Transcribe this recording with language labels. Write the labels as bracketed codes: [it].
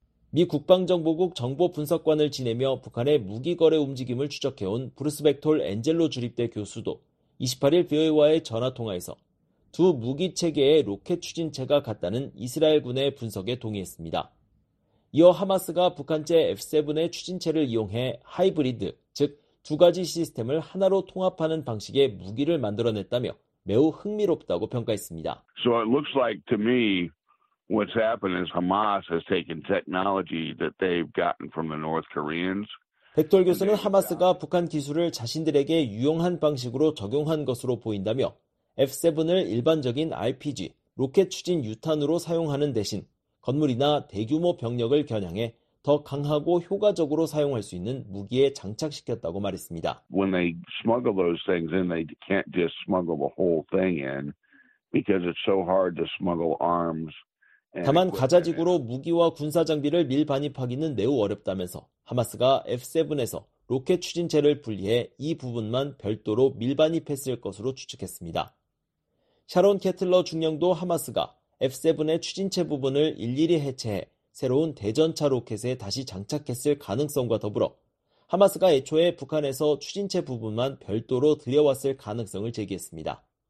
[ko] 미 국방정보국 정보분석관을 지내며 북한의 무기 거래 움직임을 추적해온 브루스 벡톨 엔젤로 주립대 교수도 28일 BOA와의 전화통화에서 두 무기체계의 로켓 추진체가 같다는 이스라엘군의 분석에 동의했습니다. 이어 하마스가 북한제 F-7의 추진체를 이용해 하이브리드, 즉 두 가지 시스템을 하나로 통합하는 방식의 무기를 만들어냈다며 매우 흥미롭다고 평가했습니다. [en] So it looks like to me what's happened is Hamas has taken technology that they've gotten from the North Koreans. [ko] 백돌 교수는 하마스가 북한 기술을 자신들에게 유용한 방식으로 적용한 것으로 보인다며 F-7을 일반적인 RPG, 로켓 추진 유탄으로 사용하는 대신 건물이나 대규모 병력을 겨냥해 더 강하고 효과적으로 사용할 수 있는 무기에 장착시켰다고 말했습니다. [en] When they smuggle those things in, they can't just smuggle the whole thing in because it's so hard to smuggle arms. [ko] 다만 가자지구로 무기와 군사 장비를 밀반입하기는 매우 어렵다면서 하마스가 F-7에서 로켓 추진체를 분리해 이 부분만 별도로 밀반입했을 것으로 추측했습니다. 샤론 케틀러 중령도 하마스가 F-7의 추진체 부분을 일일이 해체해 새로운 대전차 로켓에 다시 장착했을 가능성과 더불어 하마스가 애초에 북한에서 추진체 부분만 별도로 들여왔을 가능성을 제기했습니다.